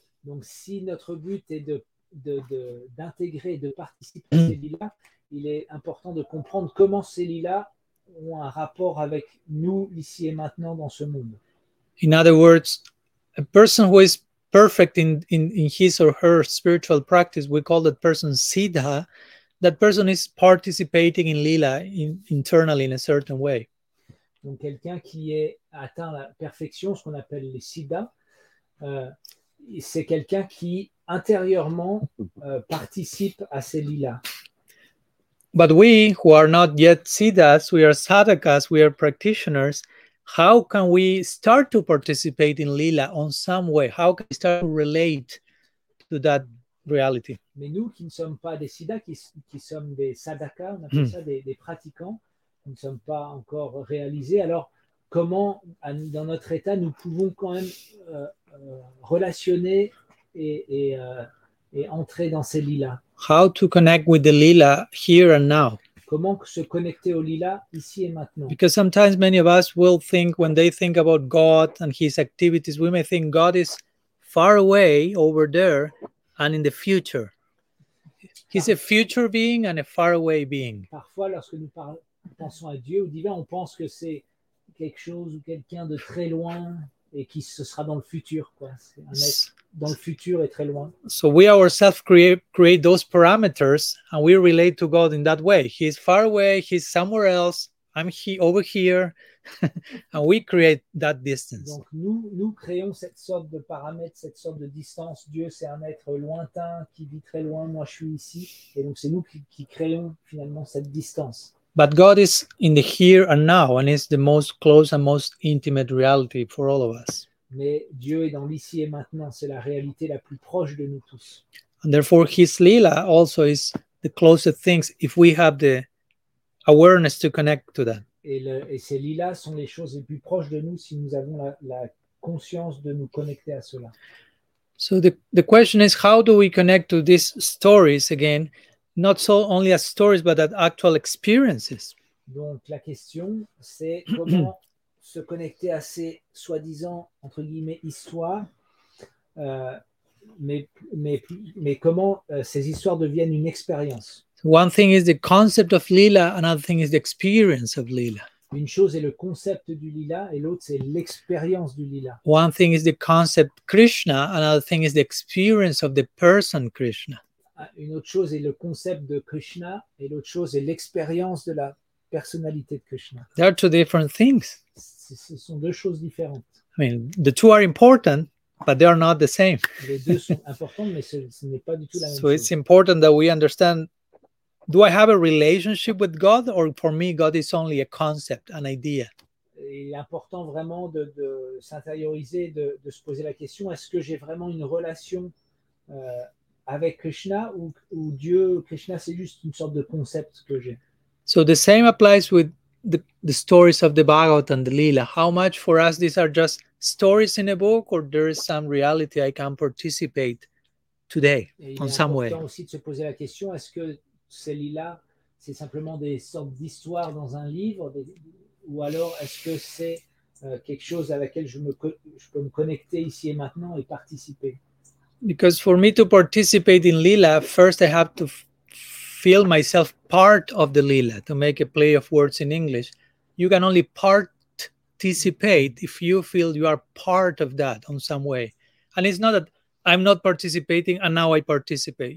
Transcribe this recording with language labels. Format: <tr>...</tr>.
<fr>Donc, si notre but est d'intégrer, de participer à ces lilas, il est important de comprendre comment ces lilas ont un rapport avec nous ici et maintenant dans ce monde.</fr> <en>In other words, a person who is perfect in his or her spiritual practice, we call that person siddha. That person is participating in lila internally in a certain way.</en> <fr>Donc, quelqu'un qui est atteint la perfection, ce qu'on appelle les siddhas. C'est quelqu'un qui intérieurement participe à ces lilas.</fr> <en>But we who are not yet siddhas, we are sadhakas, we are practitioners. How can we start to participate in lila on some way? How can we start to relate to that reality?</en> <fr>Mais nous qui ne sommes pas des siddhas, qui sommes des sadhakas, on appelle ça des pratiquants, nous ne sommes pas encore réalisés. Alors comment, dans notre état, nous pouvons quand même relationner et entrer dans ces lilas.</fr> <en>How to connect with the lila here and now?</en> <fr>Comment se connecter au lila ici et maintenant?</fr> <en>Because sometimes many of us will think, when they think about God and His activities, we may think God is far away over there and in the future. He's a future being and a far away being.</en> <fr>Parfois, lorsque nous pensons à Dieu ou divin, on pense que c'est quelque chose ou quelqu'un de très loin. Et qui ce sera dans le futur, quoi. C'est un être dans le futur et très loin.</fr> <en>So we ourselves create those parameters and we relate to God in that way. He's far away, he's somewhere else, I'm here, over here, and we create that distance.</en> <fr>Donc nous créons cette sorte de paramètre, cette sorte de distance. Dieu, c'est un être lointain qui vit très loin, moi je suis ici. Et donc c'est nous qui créons finalement cette distance.</fr> <en>But God is in the here and now, and is the most close and most intimate reality for all of us.</en> <fr>Mais Dieu est dans l'ici et maintenant, c'est la réalité la plus proche de nous tous.</fr> <en>And therefore, His lila also is the closer things, if we have the awareness to connect to them.</en> <fr>Et ces lilas sont les choses les plus proches de nous si nous avons la conscience de nous connecter à cela.</fr> <en>So the question is, how do we connect to these stories again, not so only as stories but as actual experiences?</en> <fr>Donc la question c'est comment se connecter à ces soi-disant entre guillemets histoires, mais comment ces histoires deviennent une expérience?</fr> <en>One thing is the concept of lila, another thing is the experience of lila.</en> <fr>Une chose est le concept du lila et l'autre c'est l'expérience du lila.</fr> <en>One thing is the concept Krishna, another thing is the experience of the person Krishna.</en> <fr>Une autre chose est le concept de Krishna et l'autre chose est l'expérience de la personnalité de Krishna.</fr> <en>They are two different things.</en> <fr>Ce sont deux choses différentes.</fr> <en>I mean, the two are important, but they are not the same.</en> <fr>Les deux sont importants, mais ce n'est pas du tout la même chose.</fr> <en>So it's important that we understand. Do I have a relationship with God, or for me, God is only a concept, an idea?</en> <fr>Il est important vraiment de s'intérioriser, de se poser la question, est-ce que j'ai vraiment une relation avec Krishna, ou Dieu, Krishna, c'est juste une sorte de concept que j'ai?</fr> <en>So the same applies with the stories of the Bhagavatam, the Lila. How much for us these are just stories in a book, or there is some reality I can participate today, in some way?</en> <fr>Il est important aussi de se poser la question, est-ce que ces lilas, c'est simplement des sortes d'histoires dans un livre, ou alors est-ce que c'est quelque chose à laquelle je peux me connecter ici et maintenant et participer?</fr> <en>Because for me to participate in lila, first I have to feel myself part of the lila. To make a play of words in English, you can only participate if you feel you are part of that in some way. And it's not that I'm not participating and now I participate.</en>